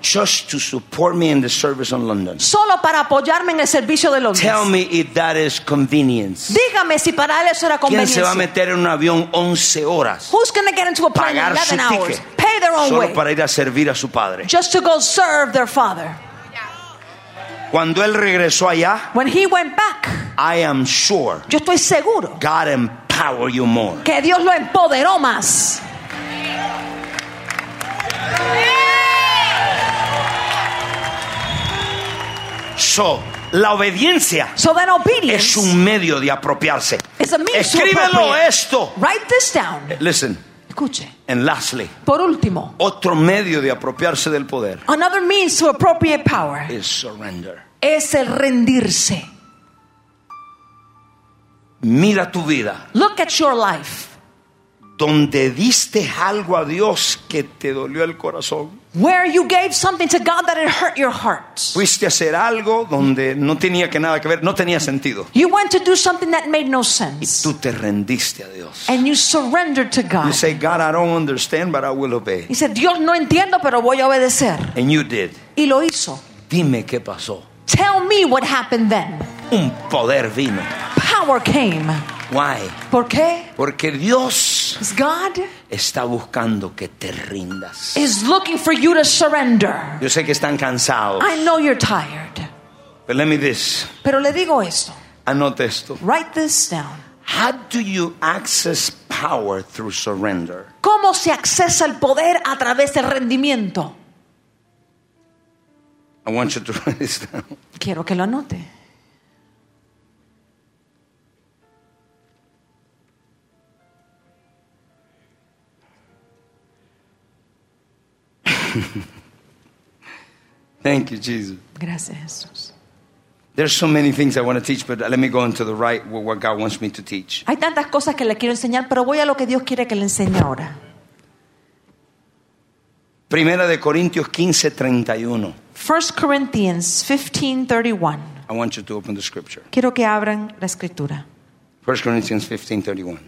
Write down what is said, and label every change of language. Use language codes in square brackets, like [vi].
[en] Just to support me in the service in London. [es] Solo para apoyarme en el servicio de Londres. [en] Tell me if that is convenience. [es] Dígame si para él eso era conveniencia. ¿Quién se va a meter en un avión 11 horas? [en] Who's going to get into a plane 11 hours? Pay their own [es] solo [en] way. [es] Solo para ir a servir a su padre. [en] Just to go serve their father. [es] Cuando él regresó allá, [en] when he went back, I am sure. [es] Yo estoy seguro. [en] God empower you more. [es] Que Dios lo empoderó más. eso, la obediencia [en] so then obedience [es] es un medio de apropiarse. [en] It's a means to [es] escríbelo [en] appropriate. [es] Esto. [en] Write this down. Listen. [es] Escuche. [en] And lastly, [es] por último, otro medio de apropiarse del poder. [en] Another means to appropriate power is surrender. [es] Es el rendirse. Mira tu vida. [en] Look at your life. [es] Donde diste algo a Dios que te dolió el corazón. [en] Where you gave something to God that it hurt your heart. [es] Fuiste a hacer algo donde no tenía que nada que ver, no tenía sentido. [en] You went to do something that made no sense. [es] Y tú te rendiste a Dios. [en] And you surrendered to God. You say, God, I don't understand, but I will obey. [es] Y dice, Dios, no entiendo, pero voy a obedecer. [en] And you did. [es] Y lo hizo. Dime qué pasó. [en] Tell me what happened then. [es] Un poder vino. [en] Power came. Why? [es] ¿Por qué? Porque Dios [en] God [es] está buscando que te rindas. [en] Is looking for you to surrender. [es] Yo sé que están cansados. [en] I know you're tired. But let me this. [es] Pero le digo esto. Anote esto. [en] Write this down. How do you access power through surrender? [es] ¿Cómo se accesa el poder a través del rendimiento? [en] I want you to write this down. [es] Quiero que lo anote. [en] Thank you, Jesus. [es] Gracias, Jesús. [en] There's so many things I want to teach, but let me go into the right with what God wants me to teach. [es] Hay tantas cosas que le quiero enseñar, pero voy a lo que Dios quiere que le enseñe ahora. Primera de Corintios 15:31. [en] 1 Corinthians 15:31. I want you to open the scripture. [es] Quiero que abran la escritura. [en] 1 Corinthians 15:31.